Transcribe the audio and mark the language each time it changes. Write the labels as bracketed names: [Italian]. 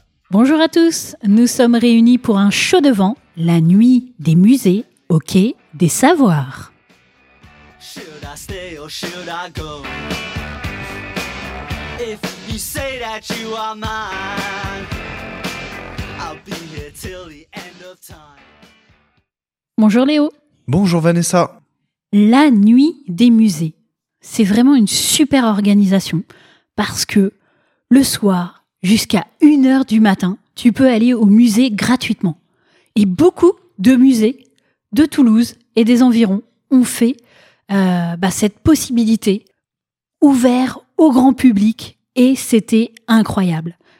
[French] Bonjour à tous, nous sommes réunis pour un show de vent, la nuit des musées au quai des savoirs. [English] Should I stay or should I go? If you say that you are mine, I'll be here till the end of time. [French] Bonjour Léo. Bonjour Vanessa. La nuit des musées, c'est vraiment une super organisation parce que le soir, jusqu'à 1h du matin, tu peux aller au musée gratuitement. Et beaucoup de musées de Toulouse et des environs ont fait cette possibilité ouverte au grand public et c'était incroyable.